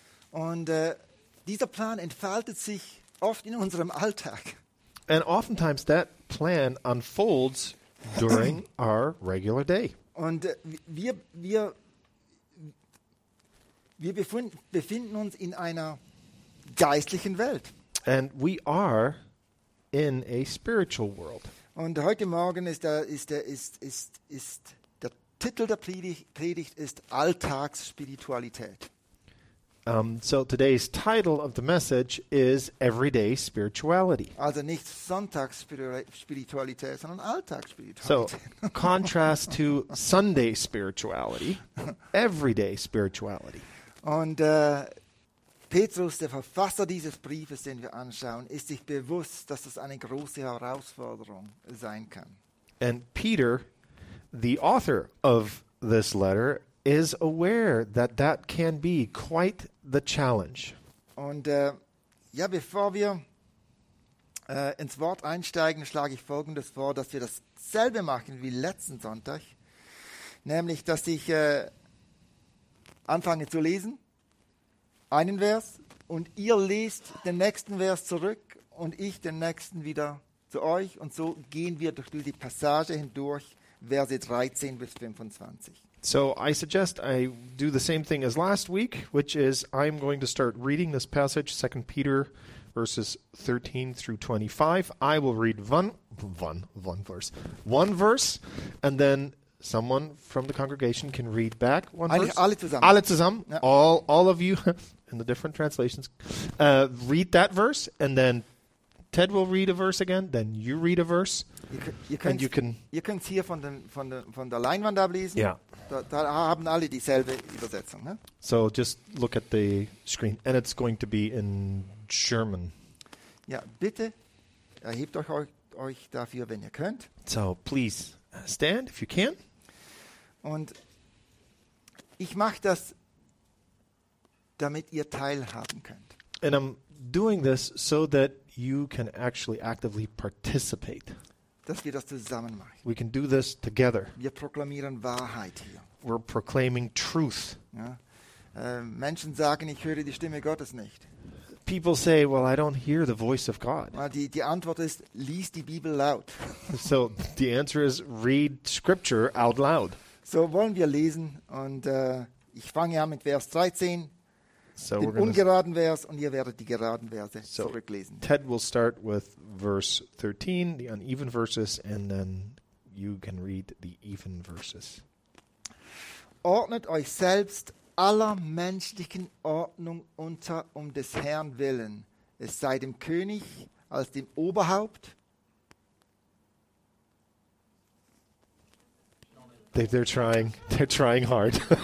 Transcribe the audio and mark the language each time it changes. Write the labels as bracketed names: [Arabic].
[German] Und dieser Plan entfaltet sich oft in unserem Alltag. [English] And oftentimes that plan unfolds during our regular day. [German] Und wir befinden uns in einer geistlichen Welt. [English] And we are in a spiritual world. [German] Und heute Morgen ist der Titel der Predigt ist Alltagsspiritualität. [English] So today's title of the message is Everyday Spirituality. [German] Also nicht Sonntagsspiritualität, sondern Alltagsspiritualität. [English] So contrast to Sunday spirituality, Everyday Spirituality. [German] Und Petrus, der Verfasser dieses Briefes, den wir anschauen, ist sich bewusst, dass das eine große Herausforderung sein kann. [English] And Peter, the author of this letter, is aware that that can be quite the challenge. [German] Und bevor wir ins Wort einsteigen, schlage ich Folgendes vor, dass wir dasselbe machen wie letzten Sonntag, nämlich, dass ich anfange zu lesen, einen Vers, und ihr lest den nächsten Vers zurück und ich den nächsten wieder zu euch. Und so gehen wir durch die Passage hindurch, Verse 13 bis 25. [English] So I suggest I do the same thing as last week, which is I'm going to start reading this passage, 2 Peter verses 13 through 25. I will read one verse, and then someone from the congregation can read back one verse. [German] Alle zusammen. Alle zusammen. [English] Yeah. All of you in the different translations. Read that verse, and then Ted will read a verse again. Then you read a verse. [German] Ihr könnt es hier von der Leinwand ablesen. [English] Yeah. [German] Da haben alle dieselbe Übersetzung. Ne? [English] So just look at the screen. And it's going to be in German. [German] Ja, bitte erhebt euch dafür, wenn ihr könnt. [English] So please stand if you can. [German] Und ich mache das, damit ihr teilhaben könnt. [English] And I'm doing this so that you can actually actively participate. [German] Dass wir das zusammen machen. [English] We can do this together. [German] Wir proklamieren Wahrheit hier. [English] We're proclaiming truth. [German] Ja. Menschen sagen, ich höre die Stimme Gottes nicht. [English] People say, well, I don't hear the voice of God. [German] Die Antwort ist, lies die Bibel laut. [English] So the answer is, read scripture out loud. [German] So wollen wir lesen und ich fange an mit Vers 13. [English] So [German] den ungeraden Vers und ihr werdet die geraden Verse zurücklesen. [English] Ted will start with verse 13, the uneven verses, and then you can read the even verses. [German] Ordnet euch selbst aller menschlichen Ordnung unter um des Herrn willen. Es sei dem König als dem Oberhaupt. [English] They're trying hard.